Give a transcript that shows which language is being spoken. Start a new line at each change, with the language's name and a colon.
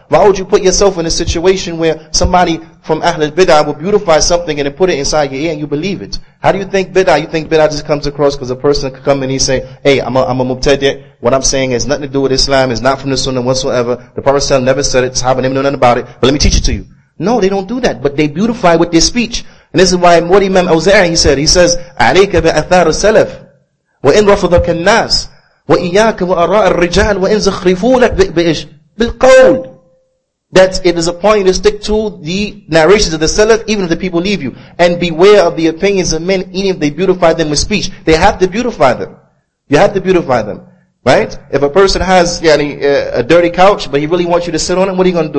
English: Why would you put yourself in a situation where somebody from Ahl al-Bid'ah will beautify something and then put it inside your ear and you believe it? How do you think Bid'ah? You think Bid'ah just comes across because a person could come in and he say, hey, I'm a Mubtadi'. What I'm saying has nothing to do with Islam. It's not from the Sunnah whatsoever. The Prophet never said it. Sahaba never knew nothing about it. But let me teach it to you. No, they don't do that. But they beautify with their speech. And this is why what Imam Awza'i, he said,
Arabic: عَلَيْكَ بِأَثَارُ السَّلَفِ وَإِنْ رَفُضَكَ النَّاسِ وَإِيَّاكَ وَأَرَاءَ الرِّجَالِ وَإِنْ زَخْرِفُوا لَكْ بِإِشْ بِالْقَوْلِ.
English: That it is appointed to stick to the narrations of the Salaf, even if the people leave you. And beware of the opinions of men, even if they beautify them with speech. They have to beautify them. You have to beautify them. Right? If a person has a dirty couch, but he really wants you to sit on it, what are you going to do?